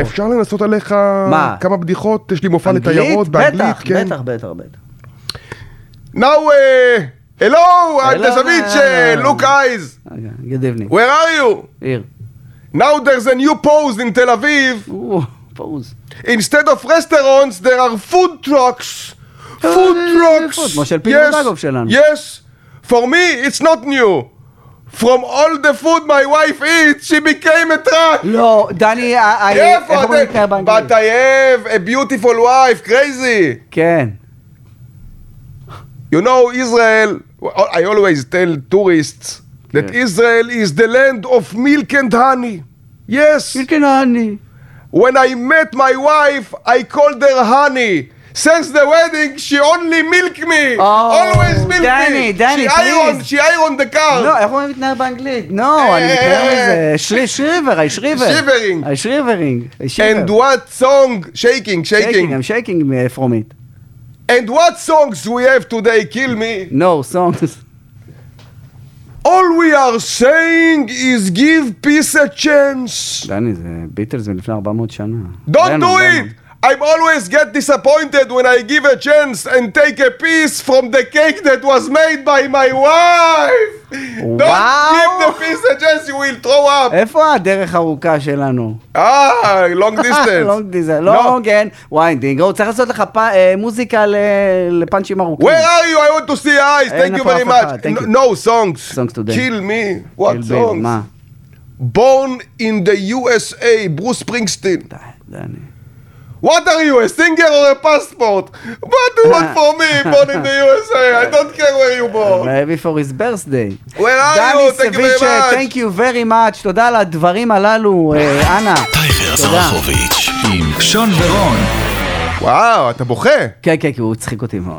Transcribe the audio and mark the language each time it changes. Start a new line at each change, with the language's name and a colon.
Hebrew: אפשר לנסות עליך כמה בדיחות? יש לי מופע לתיירות באנגלית. בטח, בטח, בטח.
English: נאו, הלו, דזוויץ' לוק אייז. גוד איבנינג. וויר אר יו? היר. נאו, דרז א ניו פוז אין תל אביב. פוז. Instead of restaurants, there are food trucks. Food trucks. Yes. Yes. For me, it's not new. From all the food my wife eats, she became a truck. No, Danny, I... But I have a beautiful wife. Crazy. Can. You know, Israel... I always tell tourists that Israel is the land of milk and honey. Yes. Milk and honey. When I met my wife, I called her honey. Since the wedding, she only milked me. Oh, always milked Danny, me. Danny, she please. Ironed, she ironed the car.
Hebrew: No, איך אומרים מתנהר באנגלית? No, אני מתנהר מזה.
English: שריבר, I shriver. Shivering. I shrivering. And what song? Shaking, shaking. Shaking, I'm shaking from it. And what songs we have today, kill me? No, songs. All we are saying is give peace a chance.
Hebrew: דני, זה ביטלס מלפני 400 שנה.
English: Don't do it! I'm always get disappointed when I give a chance and take a piece from the cake that was made by my wife. Don't give the piece a chance, you will throw up.
Hebrew: איפה הדרך ארוכה שלנו?
English: long distance. long distance, long and winding.
Hebrew: צריך לעשות לך מוזיקה לפאנצ'ים ארוכים.
English: Where are you? I want to see your eyes. Thank you very much. No songs. Songs today. Kill me. What songs? born in the USA, Bruce Springsteen.
Hebrew: דני.
English: What are you, a singer or a passport? What do you want for me, born in the USA? I don't care where you born. Maybe for his birthday. Where are Danny you? Thank you very much. דני סביץ', thank you very much.
Hebrew: תודה על הדברים הללו, אנא. טייכר זרחוביץ' עם שון ורון. וואו, אתה בוכה? כן, כן, כי הוא צחיק אותי מאוד.